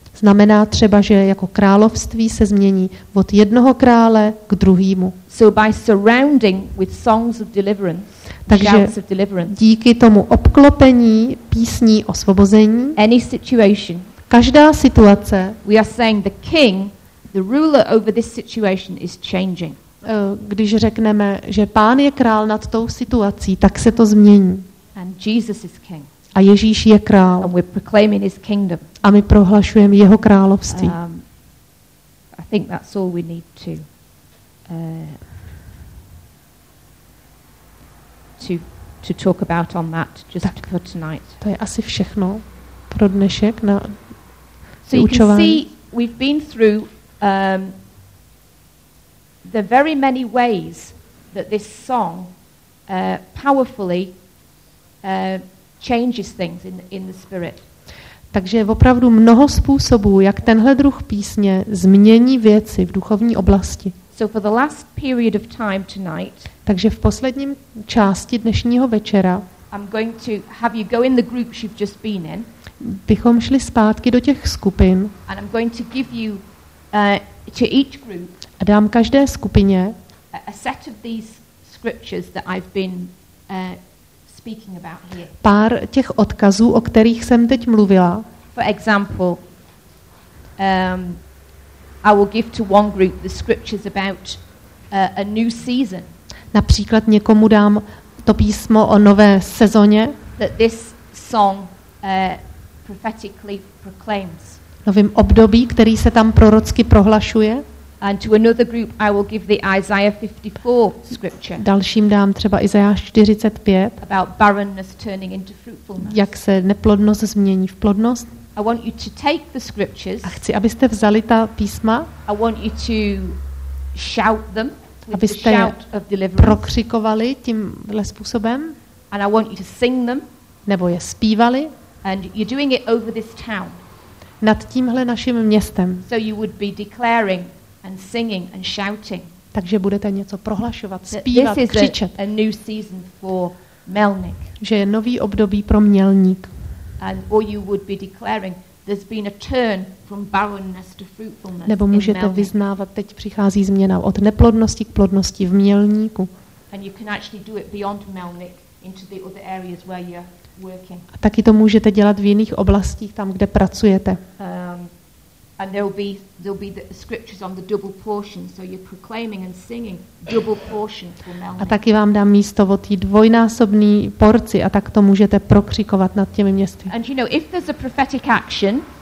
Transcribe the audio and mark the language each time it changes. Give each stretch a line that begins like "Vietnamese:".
Czech: Znamená třeba, že jako království se změní od jednoho krále k druhému.
English: So by surrounding with songs of deliverance,
Czech: Takže díky tomu obklopení písní osvobození,
English: any situation,
Czech: každá situace,
English: we are saying the king, the ruler over this situation is changing.
Czech: Když řekneme, že pán je král nad tou situací, tak se to změní.
English: And Jesus is king.
Czech: A Ježíš je král.
English: And we're proclaiming his kingdom.
Czech: A my prohlašujeme jeho království.
English: I think that's all we need to to talk about on that just tak, for tonight.
Czech: To je asi všechno pro dnešek na vyučování.
English: So you can see we've been through the very many ways that this song powerfully changes things in the spirit.
Czech: Takže je opravdu mnoho způsobů, jak tenhle druh písně změní věci v duchovní oblasti.
English: So for the last period of time tonight,
Czech: takže v posledním části dnešního večera
English: I'm going to have you go in the groups you've just been in,
Czech: bychom šli zpátky do těch skupin
English: and I'm going to give you to each group
Czech: a dám každé skupině
English: a set of these scriptures that I've been speaking about here.
Czech: Pár těch odkazů, o kterých jsem teď mluvila.
English: For example, I will give to one group the scriptures about a new season.
Czech: Například někomu dám to písmo o nové sezóně.
English: That this song prophetically proclaims.
Czech: Novým období, který se tam prorocky prohlašuje.
English: And to another group I will give the Isaiah 54 scripture.
Czech: Dalším dám třeba Izajáš 45.
English: About barrenness turning into fruitfulness.
Czech: Jak se neplodnost změní v plodnost.
English: I want you to take the scriptures.
Czech: A chci, abyste vzali ta písma.
English: I want you to shout them.
Czech: Abyste je prokřikovali tímhle způsobem.
English: And I want you to sing them.
Czech: Nebo je zpívali.
English: And you're doing it over this town.
Czech: Nad tímhle naším městem.
English: So you would be declaring and singing and shouting.
Czech: Takže budete něco prohlašovat, zpívat, křičet.
English: A new season for Melnik.
Czech: Že je nový období pro Mělník.
English: And or you would be declaring there's been a turn from barrenness to fruitfulness.
Czech: Nebo můžete vyznávat, teď přichází změna od neplodnosti k plodnosti v Mělníku.
English: And you can actually do it beyond Melnik into the other areas where you're working.
Czech: A taky to můžete dělat v jiných oblastích, tam kde pracujete.
English: And there'll be the scriptures on the double portion, so you're proclaiming and singing double portion for Melnik.
Czech: A taky vám dám místo o té dvojnásobné porci a tak to můžete prokřikovat nad těmi městy.
English: And you know, if there's a prophetic action,